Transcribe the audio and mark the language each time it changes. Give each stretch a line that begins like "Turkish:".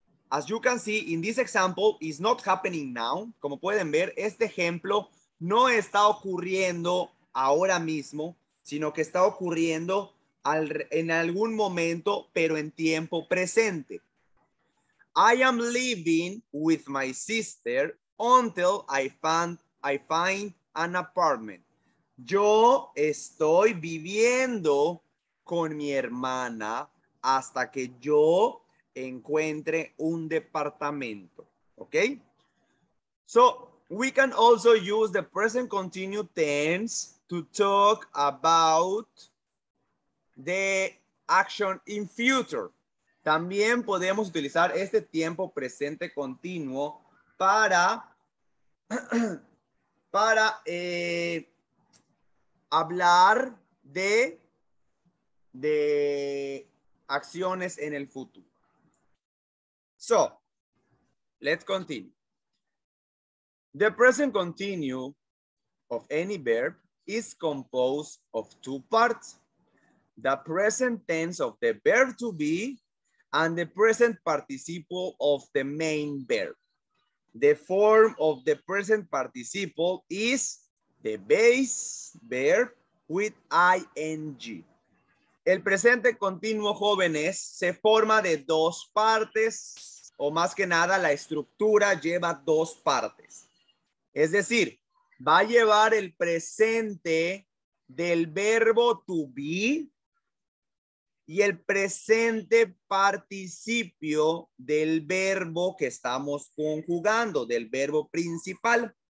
English: As you can see, in this example, it's not happening now.
Spanish: Como pueden ver, este ejemplo no está ocurriendo ahora mismo, sino que está ocurriendo en algún momento, pero en tiempo presente.
English: I am living with my sister until I find an apartment.
Spanish: Yo estoy viviendo con mi hermana hasta que yo encuentre un departamento.
English: Okay? So we can also use the present continuous tense to talk about the action in future.
Spanish: También podemos utilizar este tiempo presente continuo para hablar de acciones en el futuro.
English: So, let's continue. The present continue of any verb is composed of two parts. The present tense of the verb to be and the present participle of the main verb. The form of the present participle is the base verb with ing.
Spanish: El presente continuo, jóvenes, se forma de dos partes, o más que nada, la estructura lleva dos partes. Es decir, va a llevar el presente del verbo to be y el presente participio del verbo que estamos conjugando, del verbo principal.